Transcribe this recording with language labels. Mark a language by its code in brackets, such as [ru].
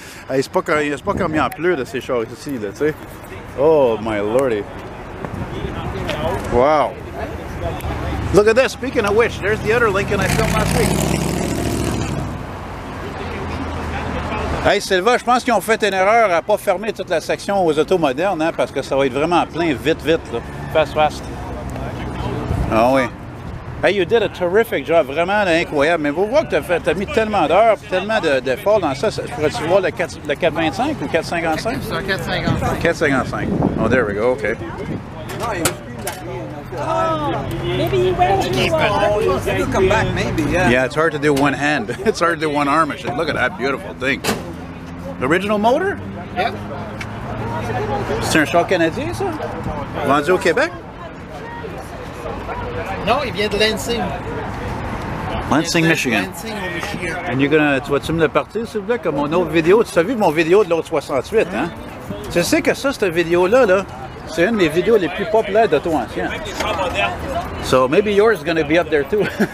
[fr] J'espère qu'il y a plus de ces choses ici, tu sais. [en] Oh, my lordy. Wow. Look at this, speaking of which, there's the other Lincoln I filmed last week. [fr] Hey Sylvain, je pense qu'ils ont fait une erreur à pas fermer toute la section aux autos modernes, hein, parce que ça va être vraiment plein vite, vite, là. [en] Fast, fast. [fr] Ah oui. [en] Hey, you did a terrific job, [fr] vraiment incroyable. Mais vous voyez que t'as mis tellement d'heures et tellement d'efforts dans ça. Pourrais-tu voir le 425 ou 455? C'est un 455. [en] 455. Oh, there we go, OK. Oh, maybe he went to the wall. He'll come back, maybe, yeah. Yeah, it's hard to do one hand. It's hard to do one arm. Actually. Look at that beautiful thing. Original motor? Yep. [fr] C'est un char canadien, ça? Vendu au Québec? Non, il vient de Lansing. Lansing, Michigan. Lansing, Michigan. [en] And you're gonna, [fr] tu vas-tu me le partir, s'il vous plaît, comme mon autre vidéo? Tu as vu mon vidéo de l'autre 68, hein? Tu sais que ça, cette vidéo-là, là, c'est une de mes vidéos les plus populaires d'auto ancien. [en] So maybe yours is going to be up there too.